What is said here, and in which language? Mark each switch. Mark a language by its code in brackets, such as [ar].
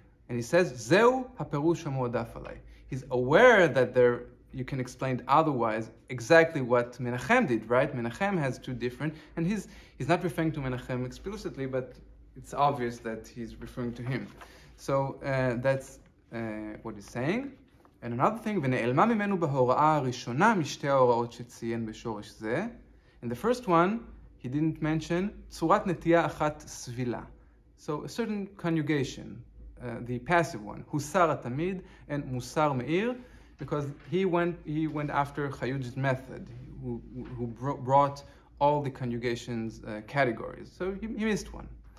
[en] And he says, [he] Zeu HaPerush HaMuadaf Alai. [en] He's aware that there, you can explain it otherwise, exactly what Menachem did, right? Menachem has two different, and he's not referring to Menachem explicitly, but it's obvious that he's referring to him. So that's what he's saying. And another thing, [he] ונעלמה ממנו בהוראה הראשונה משתי ההוראות שציין בשורש זה. [en] And the first one, he didn't mention, [he] צורת נטייה אחת סבילה. [en] So a certain conjugation, the passive one, Husar Atamid and Musar Meir, because he went after Chayuj's method, who brought all the conjugations categories. So he missed one.